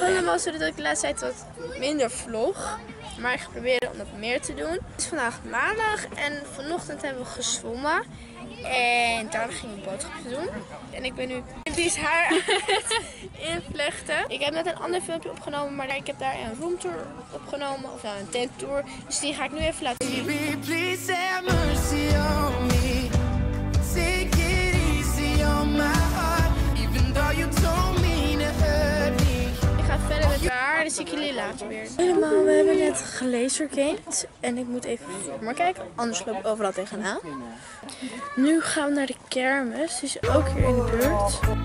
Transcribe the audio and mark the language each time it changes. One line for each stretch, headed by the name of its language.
Dutch: Allemaal zullen dat ik de laatste tijd wat minder vlog. Maar ik ga proberen om dat meer te doen. Het is vandaag maandag en vanochtend hebben we gezwommen. En daarna ging ik een boodschap doen. En ik ben nu Cindy's haar aan het invlechten. Ik heb net een ander filmpje opgenomen, maar ik heb daar een roomtour opgenomen. Of nou, een tenttour. Dus die ga ik nu even laten zien.
English: Baby, please have mercy on me. Take it easy on my heart. Even though you told me to hurt me.
Dutch: Ik ga verder met haar, dan zie ik jullie later weer. Helemaal, we hebben net gelasergamed. En ik moet even voor me kijken, anders loop ik overal tegenaan. Nu gaan we naar de kermis, die is ook hier in de buurt.